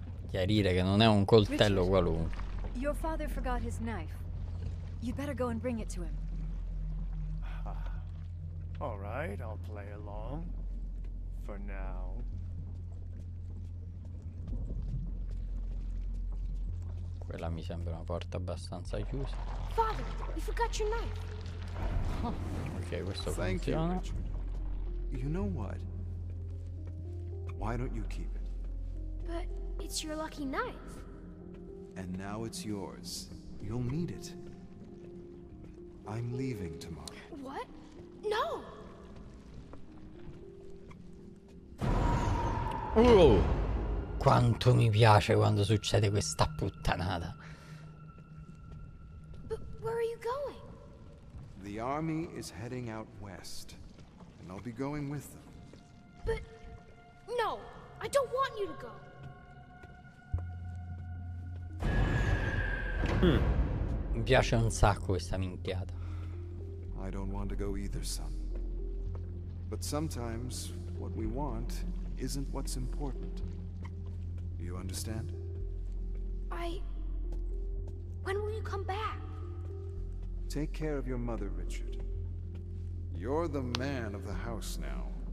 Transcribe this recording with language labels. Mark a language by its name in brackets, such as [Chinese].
[Italian] chiarire che non è un coltello qualunque. [English] Your father forgot his knife. You'd better go and bring it to him. All right, I'll play along for now. [Italian] Quella mi sembra una porta abbastanza chiusa. [English] Father, you forgot your knife. [Italian] Ok, questo funziona. [English] You know what? Why don't you keep it? But it's your lucky knife. And now it's yours. You'll need it. I'm leaving tomorrow. What? No! Oh! [Italian] Quanto mi piace quando succede questa puttanata. [English] But where are you going? The army is heading out west. And I'll be going with them. But... No! I don't want you to go! [Italian] Mi piace un sacco questa minchiata. [English] I don't want to go either, son. But sometimes what we want isn't what's important. You understand? I... When will you come back? Take care of your mother, Richard. You're the man of the house now.